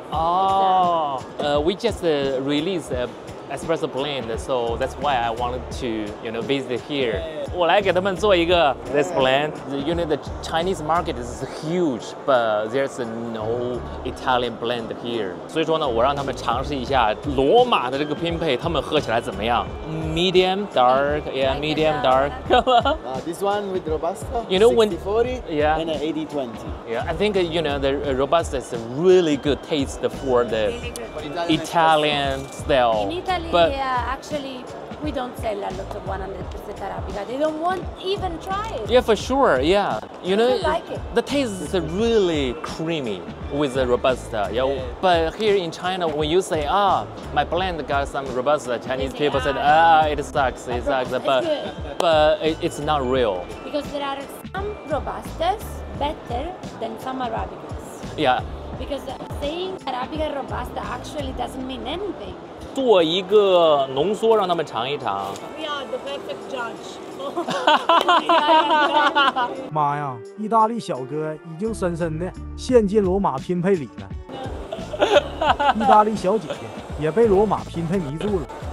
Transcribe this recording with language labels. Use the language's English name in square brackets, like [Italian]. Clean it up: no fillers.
[English] Oh, we just released an espresso blend, so that's why I wanted to, you know, visit here. [Chinese] 我来给他们做一个 [English] this blend. You know, the Chinese market is huge, but there's no Italian blend here. [Chinese] 所以说呢，我让他们尝试一下罗马的这个拼配，他们喝起来怎么样？ [English] Medium dark, yeah, medium dark. This one with Robusta, you know, 60-40, yeah, and 80-20. Yeah, I think, you know, the Robusta is a really good taste for the Italian style. In Italy, but, yeah, actually, we don't sell a lot of 100% Arabica. They don't want even try it. Yeah, for sure, yeah. You know, like it. The taste is really creamy with the Robusta. Yeah, yeah. But here in China, when you say, ah, my blend got some Robusta, Chinese say, people said, it sucks, but it's not real. Because there are some Robustas better than some Arabicas. Yeah. Because saying Arabica Robusta actually doesn't mean anything. [Chinese] 做一个浓缩让他们尝一尝。 [English] We are the perfect judge. [Chinese] 妈呀，意大利小哥已经深深的陷进罗马拼配里了。意大利小姐姐也被罗马拼配迷住了。